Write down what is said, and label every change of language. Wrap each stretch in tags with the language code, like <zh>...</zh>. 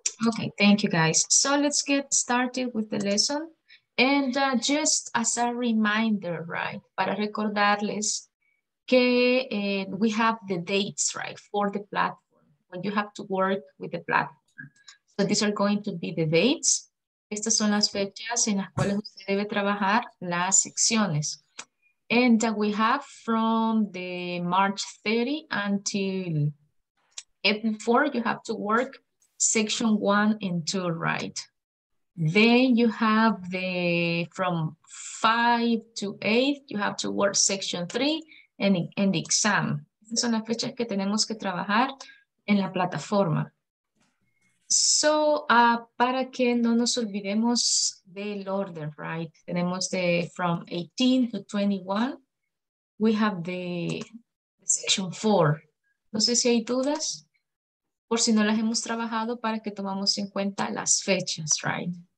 <en>Okay, thank you guys. So let's get started with the lesson. And just as a reminder, right,</en> <es>para recordarles que</es> <en>we have the dates, right, for the platform, when you have to work with the platform. So these are going to be the dates.</en> <es>Estas son las fechas en las cuales usted debe trabajar las secciones.</es> <en>And we have from the March 30 until April 4, you have to work section 1 and 2, right? Then you have the from 5 to 8, you have to work section 3 and the exam.</en> <es>Esas son las fechas que tenemos que trabajar en la plataforma. So, para que no nos olvidemos del orden, right?</es> <en>Tenemos the from 18 to 21, we have the section 4.</en> <es>No sé si hay dudas. Por si no las hemos trabajado, para que tomamos en cuenta las fechas, right?</es>